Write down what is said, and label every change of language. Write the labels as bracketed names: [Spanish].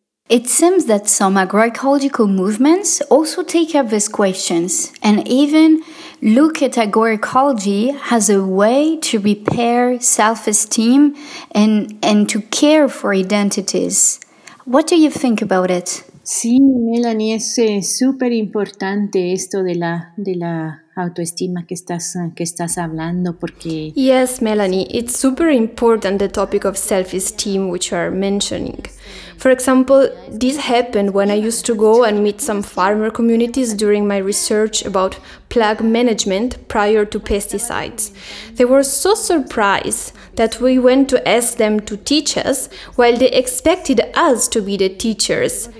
[English] It seems that some agroecological movements also take up these questions and even look at agroecology as a way to repair self-esteem and to care for identities. What do you think about it? [Spanish] Sí, Melanie, es súper importante esto de la autoestima que estás hablando porque... [English] Yes, Melanie, it's super important the topic of self-esteem which you are mentioning. For example, this happened when I used to go and meet some farmer communities during my research about plague management prior to pesticides. They were so surprised that we went to ask them to teach us while they expected us to be the teachers.